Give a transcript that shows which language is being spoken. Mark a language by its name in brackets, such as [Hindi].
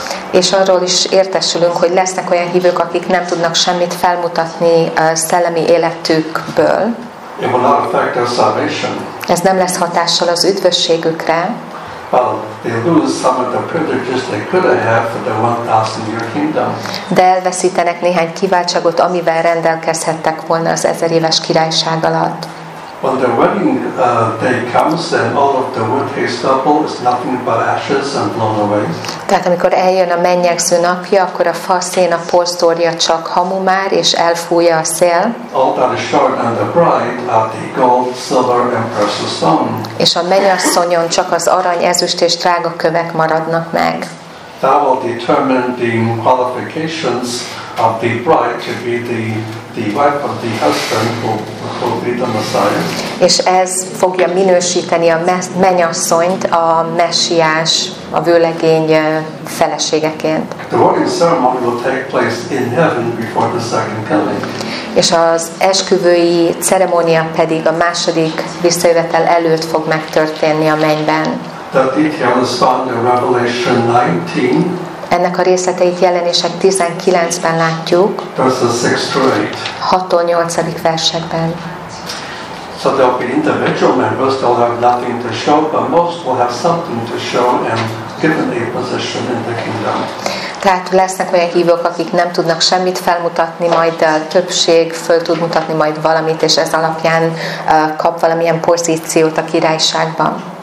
[Hungarian] És arról is értesülünk, hogy lesznek olyan hívők, akik nem tudnak semmit felmutatni a szellemi életükből. [English] It will not affect their salvation. [Hungarian] Ez nem lesz hatással az üdvösségükre. [English] Well, they lose some of the privileges they could have had for the 1,000-year kingdom. [Hungarian] De elveszítenek néhány kiváltságot, amivel rendelkezhettek volna az 1000 éves királyság alatt. [English] When the wedding day comes, then all of the wood hay stubble is nothing but ashes and blown away. [Hungarian] Tehát amikor eljön a mennyegző napja, akkor a faszén, a posztorja csak hamu már, és elfújja a szél. [English] All that is shown on the bride are the gold, silver and precious stone. [Hungarian] És a mennyasszonyon csak az arany, ezüst és drága kövek maradnak meg. [English] That will determine the qualifications of the bride to be the wife of the husband who will be the Messiah. [Hungarian] És ez fogja minősíteni a mennyasszonyt a messiás, a vőlegény feleségeként. [English] The wedding ceremony will take place in heaven before the second coming. [Hungarian] És az esküvői ceremónia pedig a második visszajövetel előtt fog megtörténni a mennyben. [English] The detail is found in Revelation 19. [Hungarian] Ennek a részleteit Jelenések 19-ben látjuk. [English] Verses 6-8. [Hungarian] 6-8. Versekben. [English] So there'll be individual members, they'll have nothing to show, but most will have something to show and given a position in the kingdom. [Hungarian] Tehát lesznek olyan hívők, akik nem tudnak semmit felmutatni, majd a többség föl tud mutatni majd valamit, és ez alapján kap valamilyen pozíciót a királyságban.